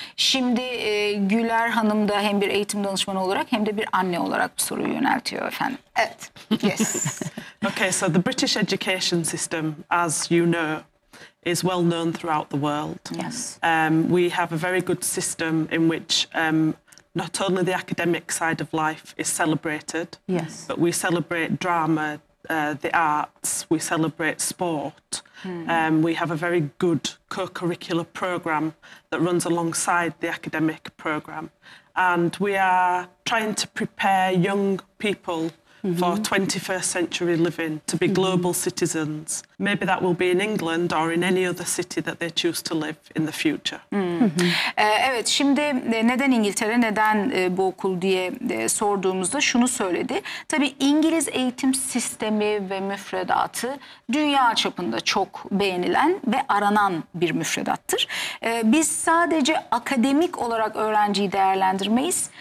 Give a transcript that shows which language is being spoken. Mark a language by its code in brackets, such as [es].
[tr] Şimdi Güler Hanım da hem bir eğitim danışmanı olarak hem de bir anne olarak bu soruyu yöneltiyor efendim. Evet. Yes. [en] Okay, so the British education system, as you know, is well known throughout the world. Yes. We have a very good system in which not only the academic side of life is celebrated, yes, but we celebrate drama, the arts, we celebrate sport. Mm. We have a very good co-curricular program that runs alongside the academic program. And we are trying to prepare young people mm-hmm. for 21st century living, to be global mm-hmm. citizens. Maybe that will be in England or in any other city that they choose to live in the future. Hmm. [tr] Evet, şimdi neden İngiltere, neden bu okul diye sorduğumuzda şunu söyledi. Tabii İngiliz eğitim sistemi ve müfredatı dünya çapında çok beğenilen ve aranan bir müfredattır. Biz sadece akademik olarak öğrenciyi değerlendirmeyiz.